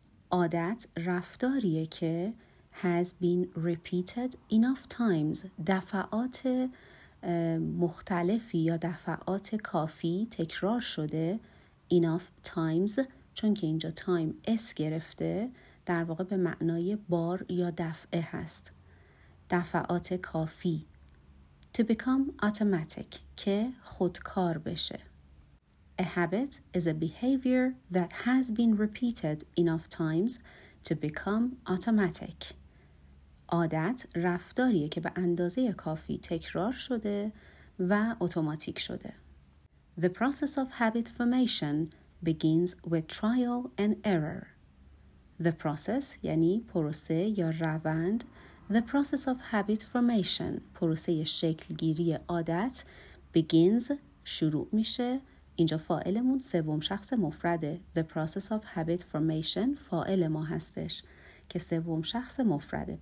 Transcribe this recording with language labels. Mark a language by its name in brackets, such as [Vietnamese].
[Persian] عادت رفتاریه که [English] has been repeated enough times، [Persian] دفعات مختلفی یا دفعات کافی تکرار شده، enough times چون که اینجا تایم اس گرفته در واقع به معنای بار یا دفعه هست، دفعات کافی، [English] to become automatic [Persian] که خودکار بشه. [English] A habit is a behavior that has been repeated enough times to become automatic. [Persian] عادت رفتاریه که به اندازه کافی تکرار شده و اتوماتیک شده. [English] The process of habit formation begins with trial and error. The process [Persian] یعنی پروسه یا روند. [English] The process of habit formation، [Persian] پروسه شکلگیری عادت، [English] begins [Persian] شروع میشه. اینجا فاعلمون سوم شخص مفرده. [English] The process of habit formation [Persian] فاعل ما هستش که سوم شخص مفرده.